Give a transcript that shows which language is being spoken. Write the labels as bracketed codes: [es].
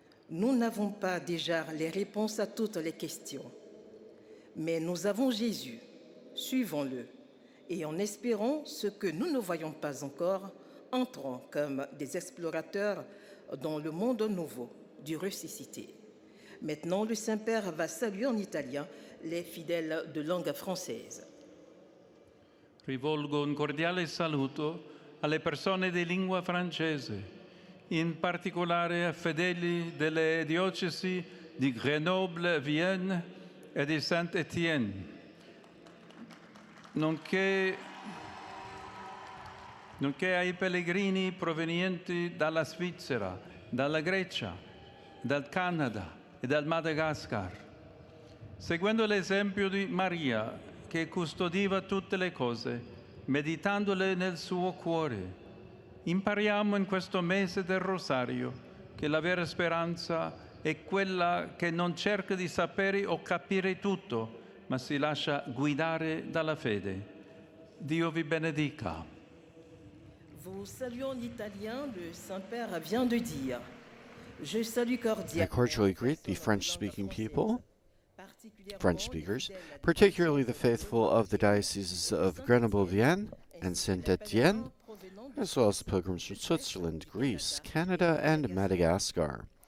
[fr] Nous n'avons pas déjà les réponses à toutes les questions, mais nous avons Jésus, suivons-le, et en espérant ce que nous ne voyons pas encore, entrons comme des explorateurs dans le monde nouveau du ressuscité. Maintenant, le Saint-Père va saluer en italien les fidèles de langue française. [it] Rivolgo un cordiale saluto alle persone di lingua francese, in particolare a fedeli delle diocesi di Grenoble, Vienne e di Saint-Étienne, nonché ai pellegrini provenienti dalla Svizzera, dalla Grecia, dal Canada e dal Madagascar. Seguendo l'esempio di Maria, che custodiva tutte le cose, meditandole nel suo cuore, impariamo in questo mese del Rosario che la vera speranza è quella che non cerca di sapere o capire tutto, ma si lascia guidare dalla fede. Dio vi benedica. [fr] Vous saluons en italien, le Saint-Père vient de dire. Je salue cordialement. [en] I cordially greet the French-speaking people, French speakers, particularly the faithful of the dioceses of Grenoble-Vienne and Saint-Étienne, as well as the pilgrims from Switzerland, Greece, Canada, and Madagascar.